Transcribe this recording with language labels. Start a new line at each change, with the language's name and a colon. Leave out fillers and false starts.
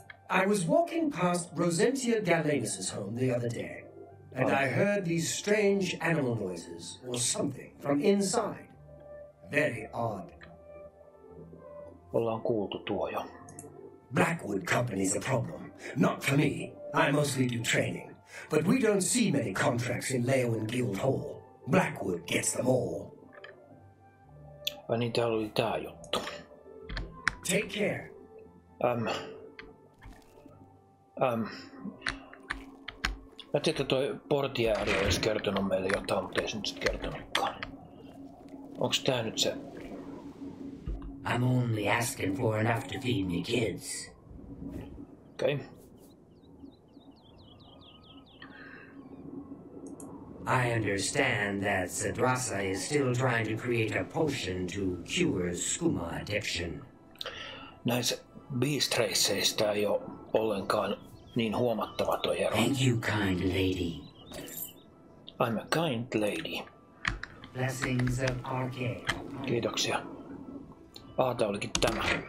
English: I was walking past Rosentia Galenus' home the other day, and I heard these strange animal noises or something from inside. Very odd.
Finnish: Ollaan kuultu tuo jo.
English: Blackwood Company's a problem. Not for me. I mostly do training. But we don't see many contracts in Leowin Guild Hall. Blackwood gets them all.
Finnish: Ai niin, täällä oli tää juttu.
English: Take care.
Finnish: Mä tiedän, että toi portiääri olisi kertonut meille jotain, mutta ei se nyt sit kertonutkaan. Onks tää nyt se?
English: I'm only asking for enough to feed me kids.
Finnish: Okei.
English: I understand that Sadrasa is still trying to create a potion to cure Skooma addiction.
Finnish: Näissä beast-reisseistä ei oo ollenkaan niin huomattava toi ero.
English: Thank you, kind lady. I'm a kind lady. Blessings of RK.
Finnish: Kiitoksia. Aata olikin tämä.